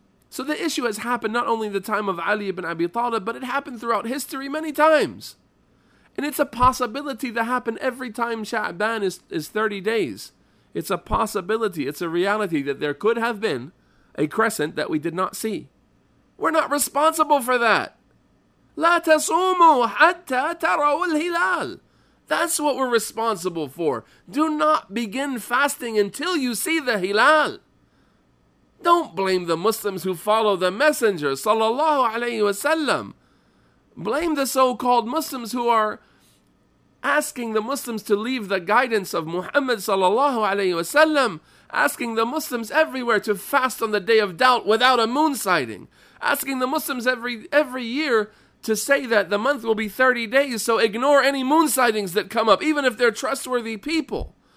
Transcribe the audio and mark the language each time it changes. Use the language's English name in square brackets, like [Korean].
[English] So the issue has happened not only in the time of Ali ibn Abi Talib, but it happened throughout history many times. And it's a possibility to happen every time Sha'ban is 30 days. It's a possibility, it's a reality that there could have been a crescent that we did not see. We're not responsible for that. [Arabic] لا تصوموا حتى تروا الهلال. [English] That's what we're responsible for. Do not begin fasting until you see the hilal. Don't blame the Muslims who follow the messenger sallallahu alayhi wasallam. Blame the so-called Muslims who are asking the Muslims to leave the guidance of Muhammad sallallahu alayhi wasallam, asking the Muslims everywhere to fast on the day of doubt without a moon sighting, asking the Muslims every year to say that the month will be 30 days, so ignore any moon sightings that come up, even if they're trustworthy people.